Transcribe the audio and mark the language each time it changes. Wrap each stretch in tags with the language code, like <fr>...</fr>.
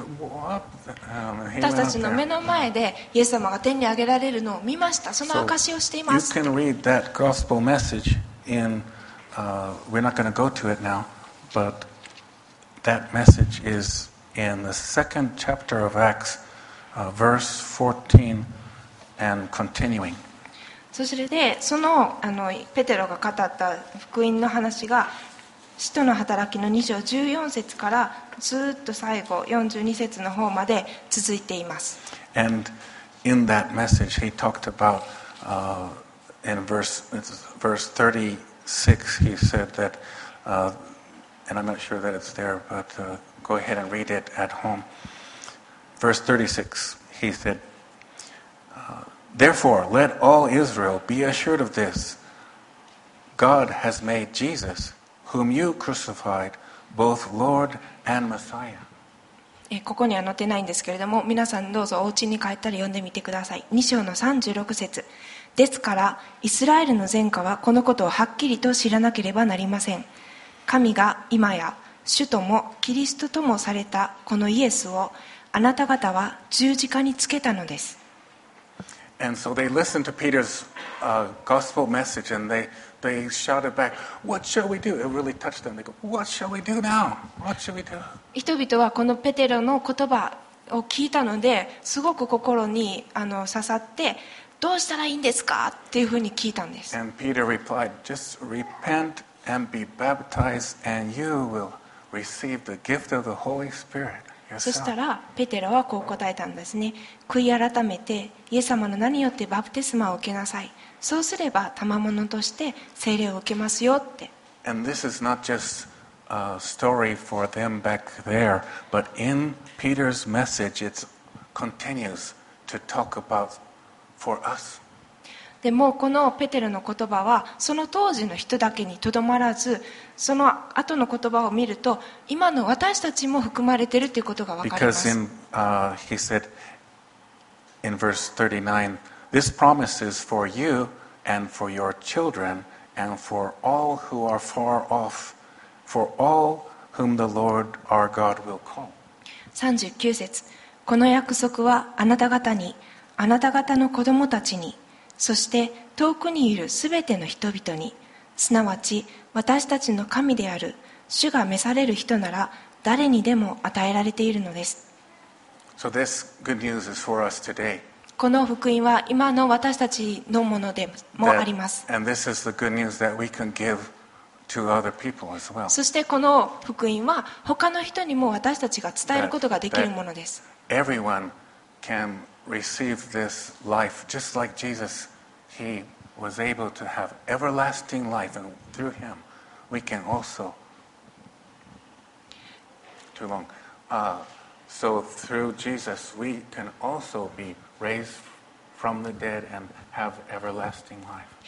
<ja>私たちの目の前でイエス様が天に上げられるのを見ました。その証をしています。</ja> <en>You can read that gospel message in, we're not going to go to it now, but that message isin the second chapter of Acts, verse 14 and continuing.</en> <ja>そしてその、ペテロが語った福音の話が使徒の働きの2章14節からずっと最後42節の方まで続いています。</ja> <en>And in that message he talked about, in verse 36 he said that, and I'm not sure that it's there, but, go ahead and read it at home. Verse 36, he said, Therefore, let all Israel be assured of this. God has made Jesus, whom you crucified, both Lord and Messiah.</en> <ja>ここには載ってないんですけれども、皆さんどうぞお家に帰ったら読んでみてください。 2章の36節。ですから、イスラエルの前科はこのことをはっきりと知らなければなりません。神が今や、主ともキリストともされたこのイエスをあなた方は十字架につけたのです。</ja> <en>And so they listened to Peter's, gospel message and they shouted back, What shall we do? It really touched them. They go, What shall we do now? What shall we do?</en> <ja>人々はこのペテロの言葉を聞いたのですごく心に刺さって、どうしたらいいんですかっていうふうに聞いたんです。</ja> <en>And Peter replied, Just repent and be baptized and you will. Receive the gift of the Holy Spirit yourself.</en> <ja>そしたらペテロはこう答えたんですね。悔い改めてイエス様の名によってバプテスマを受けなさい。そうすれば賜物として聖霊を受けますよって。</ja> <en>And this is not just a story for them back there, but in Peter's message, it continues to talk about for us.</en> <ja>でもこのペテロの言葉はその当時の人だけにとどまらず、その後の言葉を見ると今の私たちも含まれているということがわかります。</ja> <en>Because in, he said in verse 39, This promise is for you and for your children and for all who are far off, for all whom the Lord our God will call.</en> <ja>39節、この約束はあなた方に、あなた方の子供たちに、そして遠くにいるすべての人々に、すなわち私たちの神である主が召される人なら誰にでも与えられているのです。</ja> <en>So this good news is for us today.</en> <ja>この福音は今の私たちのものでもあります。</ja> <en>And this is the good news that we can give to other people as well.</en> <ja>そしてこの福音は他の人にも私たちが伝えることができるものです。</ja> <en>Everyone canReceive this life just like Jesus. He was able to have everlasting life, and through him, we can also. Too long. So through Jesus, we can also be raised from the dead and have everlasting life.</en>